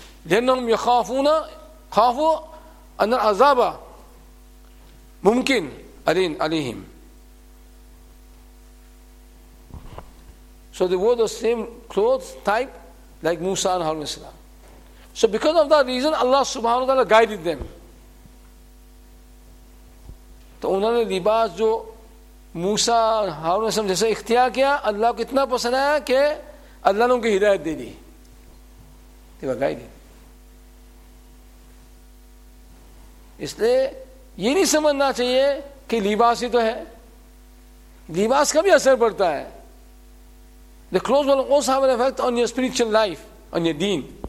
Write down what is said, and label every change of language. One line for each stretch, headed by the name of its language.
Arabic: لأنهم يخافون خافوا أن العذاب ممكن عليهم.
English: So they wore the same clothes type like Musa and Harun Islam. So because of that reason Allah subhanahu wa ta'ala guided them.
Urdu: تو انہوں نے لباس جو موسا ہارون اسلام جیسے اختیار کیا اللہ کو اتنا پسند آیا کہ اللہ نے ان کی ہدایت دے دی. اس لیے یہ نہیں سمجھنا چاہیے کہ لباس ہی تو ہے, لباس کا بھی اثر پڑتا ہے.
English: The clothes will also have an effect on your spiritual life, on your deen.